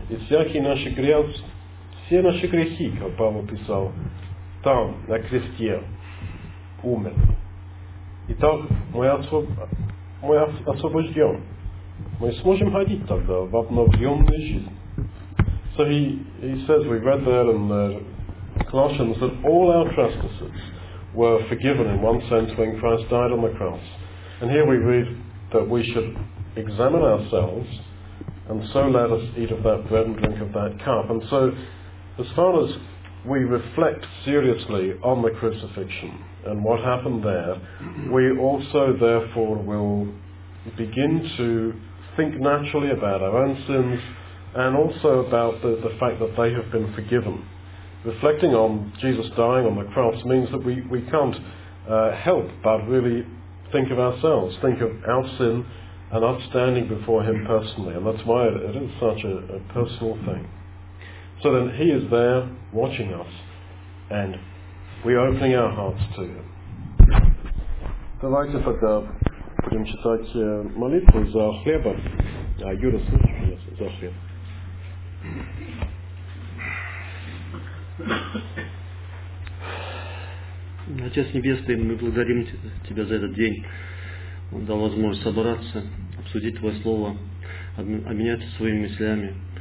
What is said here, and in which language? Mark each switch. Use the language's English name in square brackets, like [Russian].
[Russian] И всякие наши грехи, все наши грехи, как Павел писал, там, на кресте, умер. И так мы освобожден. Мы сможем ходить тогда в обновленную жизнь. [English] So he says, we read there in the Colossians that all our trespasses were forgiven in one sense when Christ died on the cross. And here we read that we should examine ourselves, and so let us eat of that bread and drink of that cup. And so, as far as we reflect seriously on the crucifixion and what happened there, we also therefore will begin to think naturally about our own sins, and also about the fact that they have been forgiven. Reflecting on Jesus dying on the cross means that we can't help but really think of ourselves, think of our sin and us standing before him personally. And that's why it is such a personal thing. So then he is there watching us, and we're opening our hearts to him. [Russian] Давайте тогда будем читать молитву за хлеба. Юрис, за хлеб. Отец Небесный, мы благодарим Тебя за этот день. Он дал возможность собраться, обсудить Твое Слово, обменяться своими мыслями.